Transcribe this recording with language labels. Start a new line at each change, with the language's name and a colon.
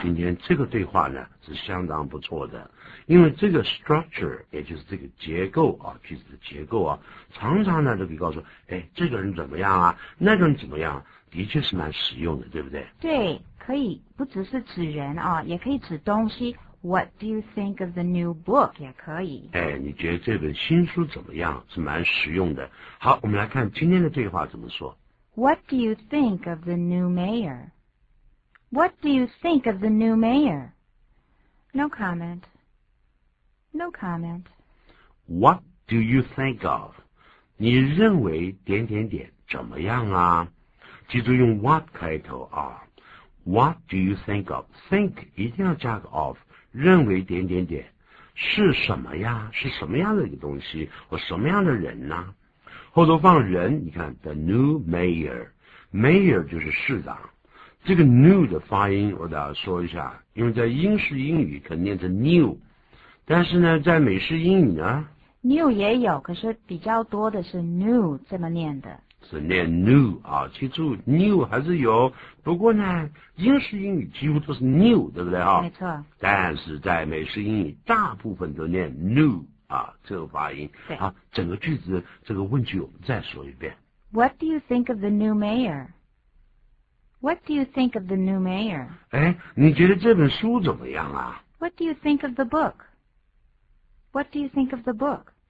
Chinese: 今天这个对话呢是相当不错的，因为这个 structure 也就是这个结构啊，句子的结构啊，常常呢都可以告诉，哎，这个人怎么样啊，那个人怎么样，的确是蛮实用的，对不对？对，可以不只是指人啊，也可以指东西。
English: What do you think of the new book?
Chinese: 也可以。哎，你觉得这本新书怎么样？是蛮实用的。好，我们来看今天的对话怎么说。
English: What do you think of the new mayor? What do you think of the new mayor? No comment. No comment. What do you think of?
Chinese: 你认为点点点怎么样啊？记住用 what 开头啊。
English: What do you think of?
Chinese: Think 一定要加个 of， 认为点点点是什么呀？是什么样的一个东西或什么样的人呢？后头放人，你看 the new mayor， mayor 就是市长。这个 new 的发音我得说一下，因为在英式英语可念成 new， 但是呢在美式英语呢 new 也有，可是比较多的是 new 这么念的，是念 new 啊。记住 new 还是有，不过呢英式英语几乎都是 new， 对不对啊？没错，但是在美式英语大部分都念 new啊，这个发音。对啊，整个句子这个问句我们再说一遍。
English: What do you think of the new mayor? What do you think of the new mayor?
Chinese: 哎，你觉得这本书怎么样啊？
English: What do you think of the book? What do you think of the book?